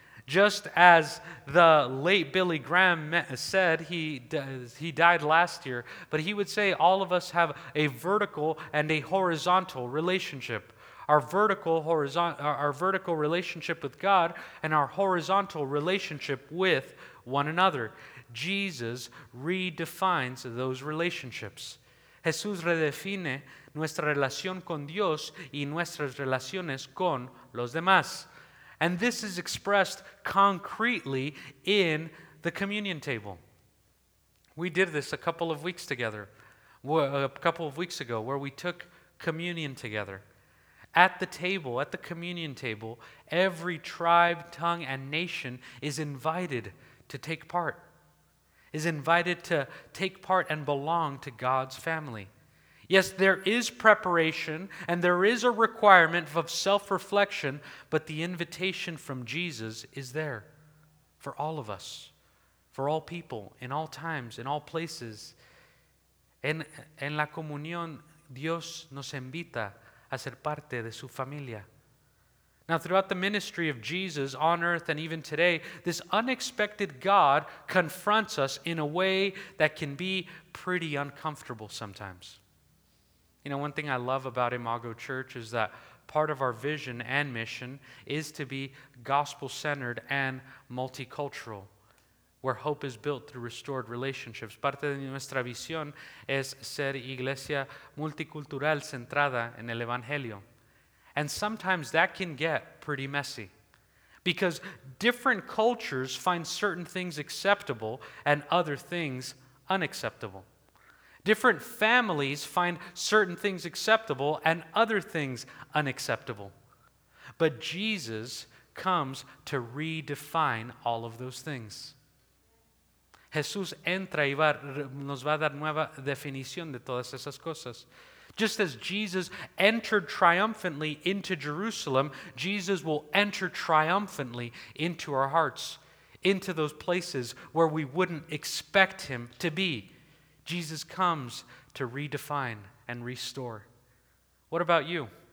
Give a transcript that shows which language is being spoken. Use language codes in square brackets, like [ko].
[en] Just as the late Billy Graham said, he died last year, but he would say all of us have a vertical and a horizontal relationship. Our vertical relationship with God and our horizontal relationship with one another. Jesus redefines those relationships. [es] Jesús redefine nuestra relación con Dios y nuestras relaciones con los demás. [en] And this is expressed concretely in the communion table. We did this a couple of weeks ago, where we took communion together. At the table, at the communion table, every tribe, tongue, and nation is invited to take part, is invited to take part and belong to God's family. Yes, there is preparation and there is a requirement of self-reflection, but the invitation from Jesus is there for all of us, for all people, in all times, in all places. [es] En la comunión, Dios nos invita a ser parte de su familia. [en] Now, throughout the ministry of Jesus on earth and even today, this unexpected God confronts us in a way that can be pretty uncomfortable sometimes. You know, one thing I love about Imago Church is that part of our vision and mission is to be gospel-centered and multicultural, where hope is built through restored relationships. [es] Parte de nuestra visión es ser iglesia multicultural centrada en el Evangelio. [en] And sometimes that can get pretty messy because different cultures find certain things acceptable and other things unacceptable. Different families find certain things acceptable and other things unacceptable. But Jesus comes to redefine all of those things. [es] Jesús entra y nos va a dar nueva definición de todas esas cosas. [en] Just as Jesus entered triumphantly into Jerusalem, Jesus will enter triumphantly into our hearts, into those places where we wouldn't expect him to be. Jesus comes to redefine and restore. What about you?